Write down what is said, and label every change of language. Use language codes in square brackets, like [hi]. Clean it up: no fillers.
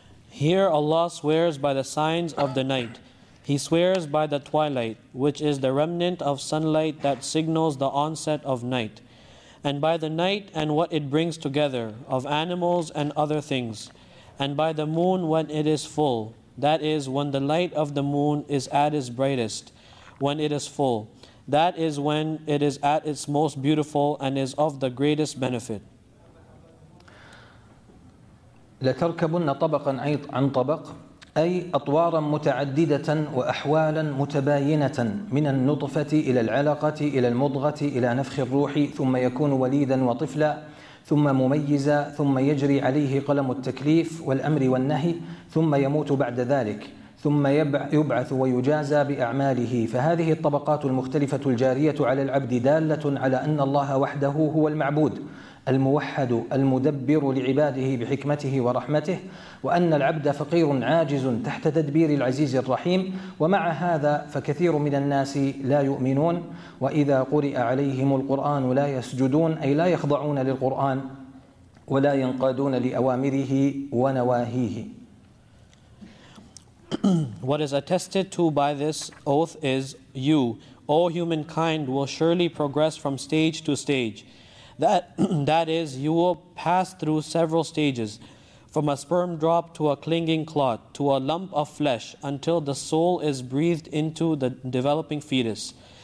[en] Here Allah swears by the signs of the night. He swears by the twilight, which is the remnant of sunlight that signals the onset of night, and by the night and what it brings together of animals and other things, and by the moon when it is full, that is, when the light of the moon is at its brightest, when it is full, that is when it is at its most beautiful and is of the greatest benefit. [ar] لَتَرْكَبُنَّ طَبَقًا عَنْ طَبَقٍ أي أطوارا متعددة وأحوالا متباينة من النطفة إلى العلقة إلى المضغة إلى نفخ الروح ثم يكون وليدا وطفلا ثم مميزا ثم يجري عليه قلم التكليف والأمر والنهي ثم يموت بعد ذلك ثم يبعث ويجازى بأعماله. فهذه الطبقات المختلفة الجارية على العبد دالة على أن الله وحده هو المعبود الموحد المدبر لعباده بحكمته ورحمته وأن العبد فقير عاجز تحت تدبير العزيز الرحيم. ومع هذا فكثير من الناس لا يؤمنون وإذا قرئ عليهم القرآن لا يسجدون أي لا يخضعون للقرآن ولا ينقادون لأوامره ونواهيه. [en] What is attested to by this oath is you, O humankind, will surely progress from stage to stage. That is, you will pass through several stages, from a sperm drop to a clinging clot, to a lump of flesh, until the soul is breathed into the developing fetus.